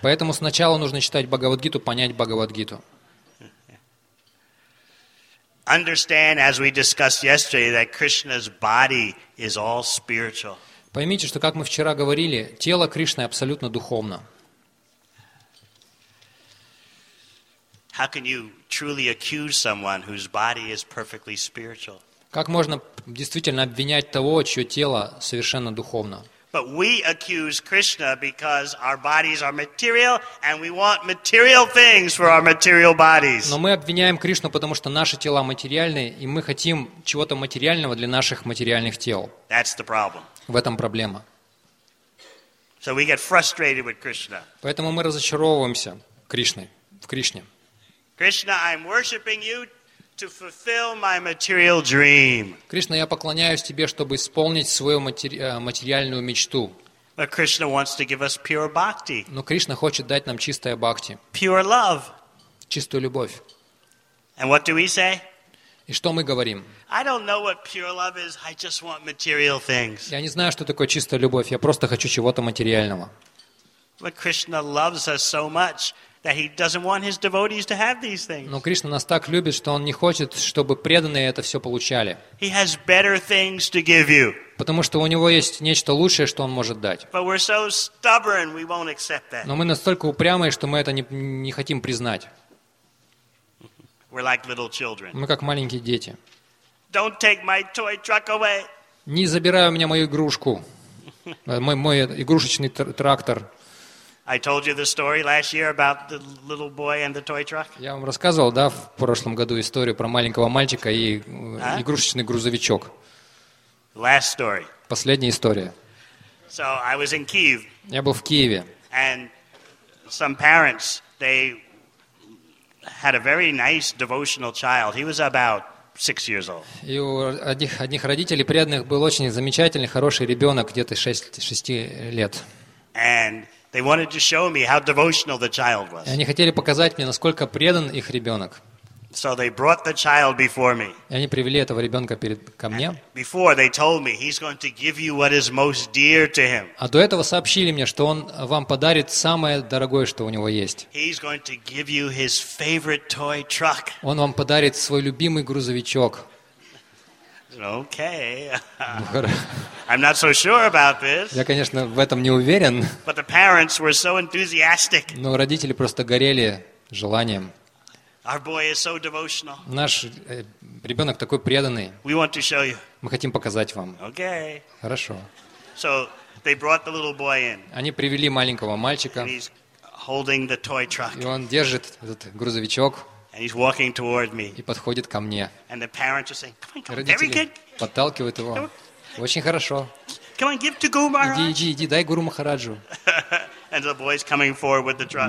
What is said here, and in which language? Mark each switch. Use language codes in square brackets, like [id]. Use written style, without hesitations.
[ru] Поэтому сначала нужно читать Бхагавад Гиту, понять Бхагавад Гиту. [en] Understand, as we discussed yesterday, that Krishna's body is all spiritual. [ru] Поймите, что, как мы вчера говорили, тело Кришны абсолютно духовно. [en] How can you truly accuse someone whose body is perfectly spiritual? [ru] Как можно действительно обвинять того, чье тело совершенно духовно? [en] But we accuse Krishna because our bodies are material and we want material things for our material bodies. [ru] Но мы обвиняем Кришну, потому что наши тела материальны, и мы хотим чего-то материального для наших материальных тел. [en] That's the problem. [ru] В этом проблема. [en] So we get frustrated with Krishna. [ru] Поэтому мы разочаровываемся Кришной, в Кришне. [en] Krishna, I'm worshiping you to fulfill my material dream. [ru] Кришна, я поклоняюсь тебе, чтобы исполнить свою материальную мечту. [en] But Krishna wants to give us pure bhakti. [ru] Но Кришна хочет дать нам чистое бхакти. [en] Pure love. [ru] Чистую любовь. [en] And what do we say? [ru] И что мы говорим? [en] I don't know what pure love is. I just want material things. [ru] Я не знаю, что такое чистая любовь. Я просто хочу чего-то материального. [en] But Krishna loves us so much that he doesn't want his devotees to have these things. [ru] Но Кришна нас так любит, что он не хочет, чтобы преданные это все получали. [en] He has better things to give you. [ru] Потому что у него есть нечто лучшее, что он может дать. [en] But we're so stubborn, we won't accept that. [ru] Но мы настолько упрямые, что мы это не хотим признать. [en] We're like little children. [ru] Мы как маленькие дети. [en] Don't take my toy truck away. [ru] Не забирай у меня мою игрушку. Мой игрушечный трактор. [en] I told you the story last year about the little boy and the toy truck. [ru] Я вам рассказывал, да, в прошлом году историю про маленького мальчика и игрушечный грузовичок. [en] Last story. [ru] Последняя история. [en] So I was in Kyiv. [ru] Я был в Киеве. [en] And some parents, they had a very nice devotional child. He was about 6 years old. [ru] И у одних родителей преданных был очень замечательный, хороший ребенок, где-то 6 лет. [en] And they wanted to show me how devotional the child was. [ru] Они хотели показать мне, насколько предан их ребенок. [en] So they brought the child before me. [ru] Они привели этого ребенка перед ко мне. [en] Before they told me he's going to give you what is most dear to him. [ru] А до этого сообщили мне, что он вам подарит самое дорогое, что у него есть. [en] He's going to give you his favorite toy truck. [ru] Он вам подарит свой любимый грузовичок. [en] Okay. I'm not so sure about this. [ru] Я, конечно, в этом не уверен. [en] But the parents were so enthusiastic. [ru] Но родители просто горели желанием. [en] Our boy is so devotional. [ru] Наш ребенок такой преданный. [en] We want to show you. [ru] Мы хотим показать вам. [en] Okay. [ru] Хорошо. [en] So they brought the little boy in. [ru] Они привели маленького мальчика. [en] And he's holding the toy truck. [ru] И он держит этот грузовичок. [en] And he's walking toward me. [ru] И подходит ко мне. [en] And the parents are saying, "Come on, come on, very good." [ru] Подталкивают его. Очень хорошо. [en] Come on, give to Guru Maharaj. [ru] Иди, дай Гуру Махараджу. [en] And the boy's coming forward with the truck.